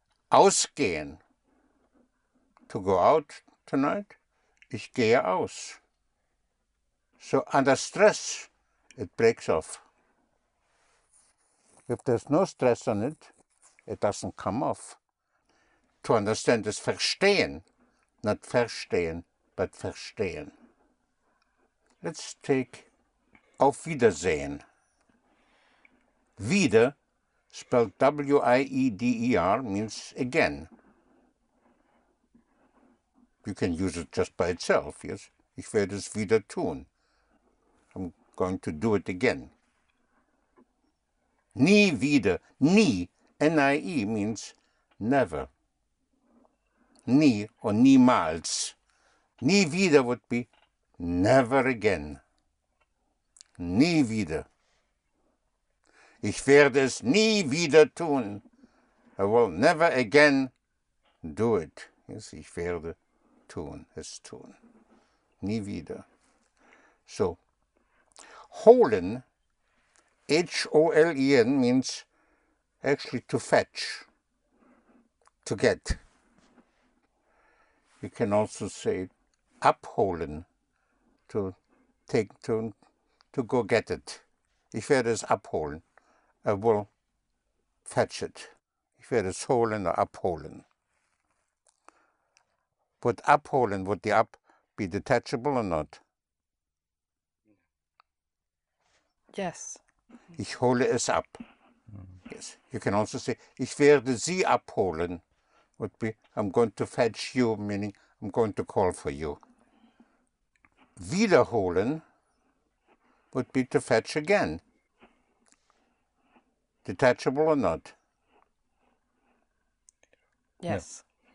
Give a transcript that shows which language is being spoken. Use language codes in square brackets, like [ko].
[de] Ausgehen, [en] to go out tonight, [de] ich gehe aus. [en] So under stress, it breaks off. If there's no stress on it, it doesn't come off. To understand is verstehen, not verstehen, but verstehen. Let's take auf Wiedersehen. Wieder, spelled W-I-E-D-E-R, means again. You can use it just by itself, yes? [de] Ich werde es wieder tun. [en] I'm going to do it again. Nie wieder, nie, N-I-E, means never. [de] Nie or niemals. [en] Nie wieder would be never again. [de] Nie wieder. Ich werde es nie wieder tun. [en] I will never again do it. Yes, [de] ich werde tun, es tun. Nie wieder. [en] So, holen, H-O-L-E-N, means actually to fetch, to get. You can also say abholen, to take, to go get it. [de] Ich werde es abholen. [en] I will fetch it. [de] Ich werde es holen or abholen. [en] Would abholen, would the up be detachable or not? Yes. [de] Ich hole es ab. Yes. [en] You can also say, [de] ich werde sie abholen. [en] Would be, I'm going to fetch you, meaning I'm going to call for you. Wiederholen would be to fetch again. Detachable or not? Yes.